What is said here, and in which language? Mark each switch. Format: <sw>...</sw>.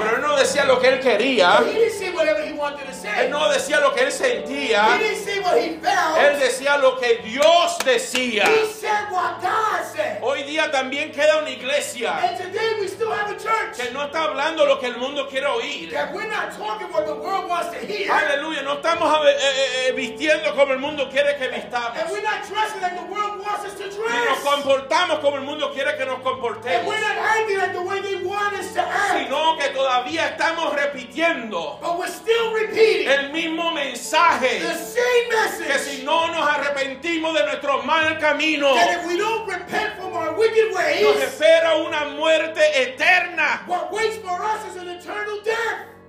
<es>Pero él no decía lo que él quería.</es> <en>He didn't say whatever he wanted to say.</en> <es>Él no decía lo que él sentía.</es> <en>He didn't say what he felt.</en> <es>Él decía lo que Dios decía.</es> <en>He said what God said.</en> <es>Hoy día también queda una iglesia.</es> <en>And today we still have a church.</en> <es>Que no está hablando lo que el mundo quiere oír.</es> <en>That we're not talking what the world wants to hear.</en> <es>Aleluya, no estamos vistiendo como el mundo quiere que vistamos.</es> <en>And we're not dressing like the world wants us to dress.</en> <es>Ni nos comportamos como el mundo quiere que nos comportemos.</es> <en>And we're not acting like the way they want us to act.</en> <es>Sino que todavía estamos repitiendo el mismo mensaje,</es> <en>the same message,</en> <es>que si no nos arrepentimos de nuestro mal camino,</es> <en>that if we don't repent from our wicked ways,</en> <es>nos espera una muerte eterna.</es> <en>What waits for us is an eternal death.</en>